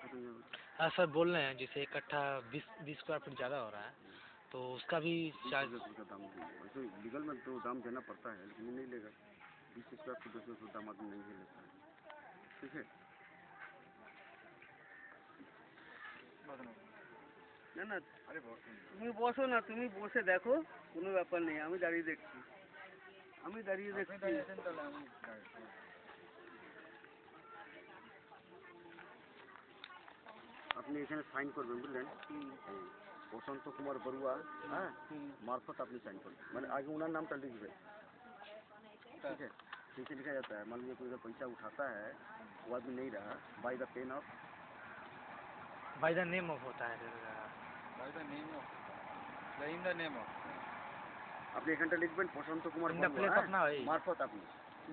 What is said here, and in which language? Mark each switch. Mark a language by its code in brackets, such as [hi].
[hi] खत्म हो गया सर। बोल रहे हैं जैसे इकट्ठा 20 स्क्वायर फीट ज़्यादा हो रहा है तो उसका भी चार्ज का दाम वैसे लीगल में तो दाम देना पड़ता है, लेकिन नहीं लेगा 20 स्क्वायर फीट से दाम आदमी नहीं ले लेता है। ठीक है [bn] না না, তুমি বসো না, তুমি বসে দেখো, কোনো ব্যাপার নেই, আমি দাঁড়িয়ে দেখছি, আমি দাঁড়িয়ে দেখছি। আপনি এখানে সাইন করবেন বুঝলেন, বসন্ত কুমার বড়ুয়া, হ্যাঁ, মারফত আপনি সাইন করবেন, মানে আগে ওনার নামটা লিখবেন। ঠিক আছে, [hi] नीचे लिखा जाता है, मान लीजिए कोई पैसा उठाता है वो आदमी नहीं रहा, by the pain of by the name of होता है, बाय द नेम ऑफ अपने एक घंटा लिखबेन प्रशांत कुमार मार्फत अपनी